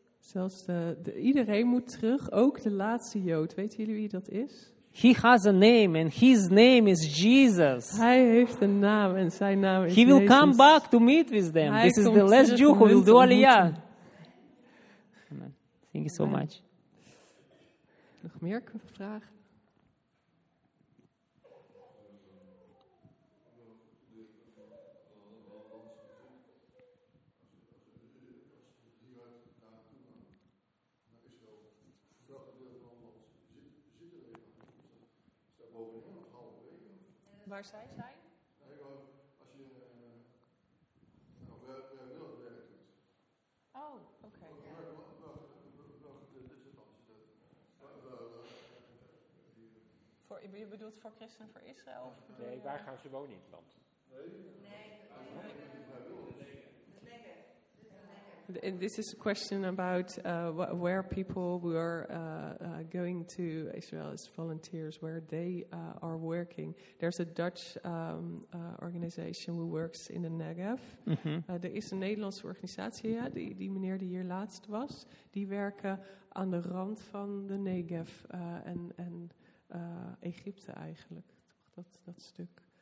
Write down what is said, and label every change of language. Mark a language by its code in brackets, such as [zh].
[nl] Zelfs iedereen moet terug, ook de laatste Jood. Weten jullie wie dat is? [en] He has a name and his name is Jesus. [nl] Hij heeft een naam en zijn naam is Jesus. [en] He will come back to meet with them. [nl] Hij [en] This is the last Jew who will do Aliyah. Thank you so much. [nl] Nog meer vragen? Waar zij zijn? Je bedoelt voor christenen voor Israël? Of nee, waar gaan ze wonen in het land? Nee. [en] This is a question about where people were going to Israel as volunteers, where they are working. There's a Dutch organization who works in the Negev. Mm-hmm. [nl] Er is een Nederlandse organisatie, ja, die meneer die hier laatst was, die werken aan de rand van de Negev en Egypte eigenlijk, toch dat stuk.